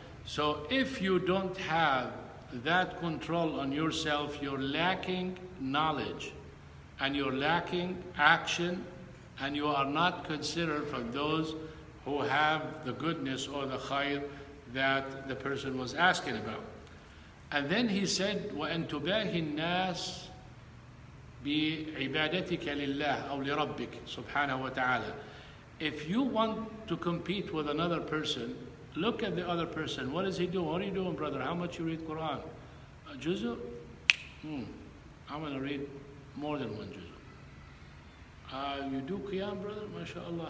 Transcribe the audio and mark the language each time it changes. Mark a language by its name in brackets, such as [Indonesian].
[English] So if you don't have that control on yourself, you're lacking knowledge and you're lacking action and you are not considered from those who have the goodness or the khayr that the person was asking about. And then he said, [Arabic] وَأَن تُبَاهِ النَّاسِ بِعِبَادَتِكَ لِلَّهِ أَوْ لِرَبِّكَ سُبْحَانَهُ وَتَعَالَى. [English] If you want to compete with another person, look at the other person. What is he doing? What are you doing, brother? How much you read Quran? A juzu? I'm going to read more than one juzu. You do qiyam, brother? MashaAllah.